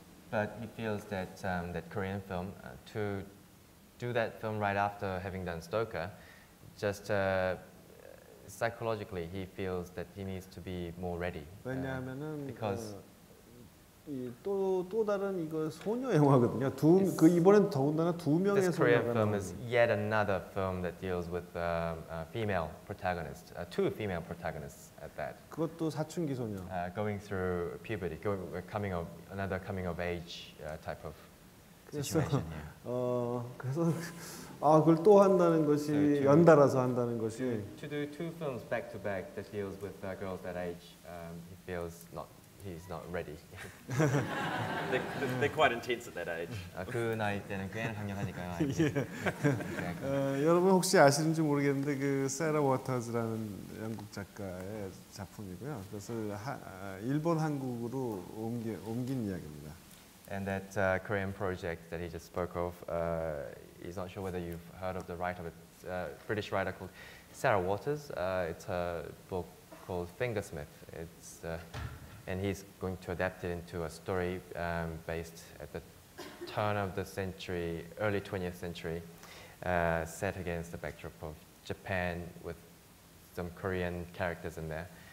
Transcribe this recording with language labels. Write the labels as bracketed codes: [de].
[en] But he feels that that Korean film to do that film right after having done Stoker, just psychologically he feels that he needs to be more ready. [ko] 왜냐하면은 [en] because [ko] 또 다른 이거 소녀 영화거든요. 그 이번엔 더군다나 두 명의 소녀가 [en] This Korean film is yet another film that deals with a female protagonist, two female protagonists at that. [ko] 그것도 사춘기 소녀. [en] Going through puberty, coming of age type of situation. [ko] 그래서 그걸 또 한다는 것이 연달아서 한다는 것이. [en] To do two films back to back that deals with girls that age, he feels not. He's not ready. they're quite intense at that age. [ko] 그 나이 때는 꽤나 강력하니까요. 여러분 혹시 아시는지 모르겠는데 그 세라 워터즈라는 영국 작가의 작품이고요. 그래서 일본 한국으로 옮긴 이야기입니다. [en] And that Korean project that he just spoke of, he's not sure whether you've heard of the writer, but British writer called Sarah Waters. It's a book called Fingersmith. It's And he's going to adapt it into a story based at the turn of the century, early 20th century, set against the backdrop of Japan with some Korean characters in there.